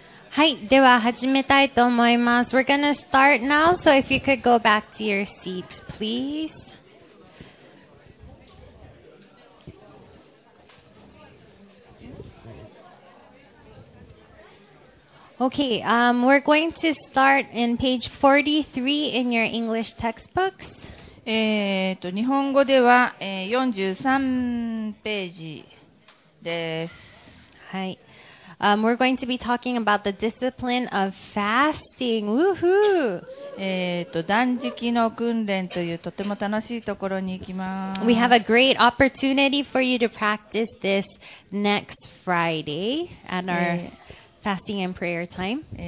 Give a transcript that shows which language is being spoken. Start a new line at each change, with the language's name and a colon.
Japanese: はい、では始めたいと思います。
English: We're gonna start now, so if you could go back to your seats, please. Okay, we're going to start in page 43 in your English textbooks.
Japanese: 日本語では、43ページです。はい。
English: We're going to be talking about the discipline of fasting. Woohoo!
Japanese: 断食の訓練というとても楽しいところに行きます。
English: We have a great opportunity for you to practice this next Friday at our fasting and prayer time.